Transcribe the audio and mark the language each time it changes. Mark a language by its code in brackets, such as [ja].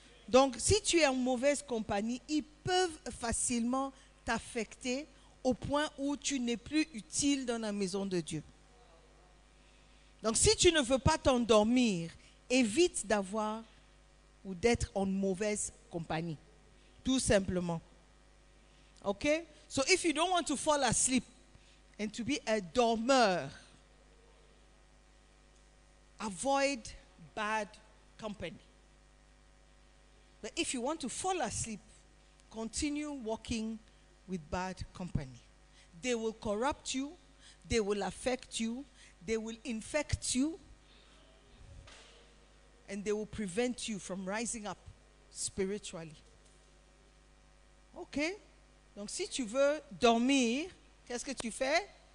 [fr] Donc, si tu es en mauvaise compagnie, ils peuvent facilement t'affecter au point où tu n'es plus utile dans la maison de Dieu. Donc, si tu ne veux pas t'endormir, évite d'avoir ou d'être en mauvaise compagnie, tout simplement. OK? [en] So, if you don't want to fall asleep and to be a dormeur, avoid bad company. But if you want to fall asleep, continue walking with bad company. They will corrupt you. They will affect you. They will infect you. And they will prevent you from rising up spiritually. Okay? [fr] Donc si tu veux dormir, qu'est-ce que tu fais?